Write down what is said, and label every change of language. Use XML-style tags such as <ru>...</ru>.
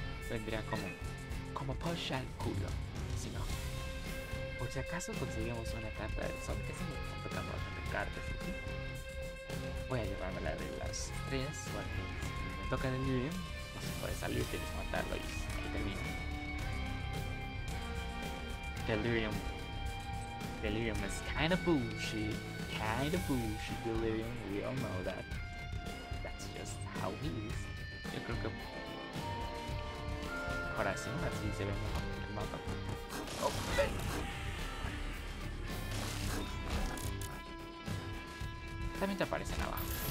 <es>Vendría como push al culo. Si no. Por si acaso conseguimos una carta del sol, que si no tocamos bastante cartas, ¿sí? Voy a llevarme la de las tres, porque si me toca el video, no se puede salir, tienes que matarlo y ahí termina.</es> <en>Delirium is kinda bullshit, Delirium, we all know that. That's just how he is.</en> <es>Yo creo que mejor así se ve mejor que el mapa. Open. También te aparecen abajo.</es>